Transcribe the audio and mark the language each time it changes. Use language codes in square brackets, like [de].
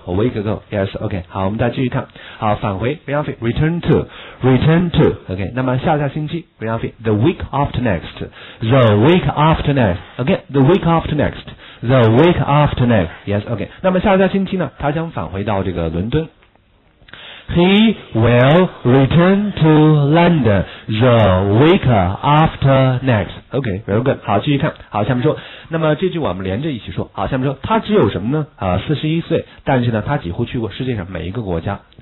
[en] A week ago. Yes. [zh] OK. 好，我们再继续看。好，返回 Ryanfi. [en] Return to. Return to. [zh] OK. 那么下下星期 Ryanfi. [en] The week after next. The week after next. OK. The week after next. the week after next. Yes, okay. [zh] 那么下星期呢，他将返回到这个伦敦。 [en] He will return to London the week after next. Okay, very good. [zh] 好，继续看。好，下面说。那么这句我们连着一起说。好，下面说。他只有什么呢？41岁，但是呢，他几乎去过世界上每一个国家。